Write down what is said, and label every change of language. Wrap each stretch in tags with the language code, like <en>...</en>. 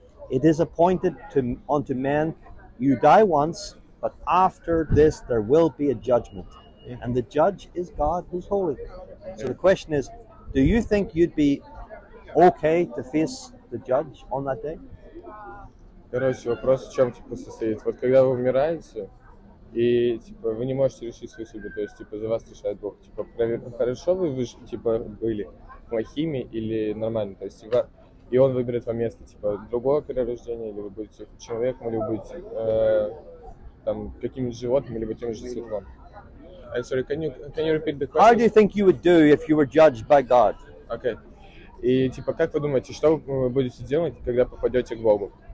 <en>It is appointed unto men. You die once, but after this, there will be a judgment. And the judge is God who's holy. So the question is, do you think you'd be okay to face the judge on that day?</en> <ru>Короче, вопрос в чем типа состоит. Вот когда вы умираете, и типа вы не можете решить свою судьбу, то есть типа за вас решает Бог. Типа хорошо вы типа были плохими или нормально. То есть и он выберет вам место, типа другое перерождение, или вы будете человеком, или вы будете там каким-нибудь животным, или тем же светлом.</ru> <en>I'm sorry, can you repeat the question? How do you think you would do if you were judged by God? Okay.</en> <ru>И типа, как вы думаете, что вы будете делать, когда попадете к Богу?</ru>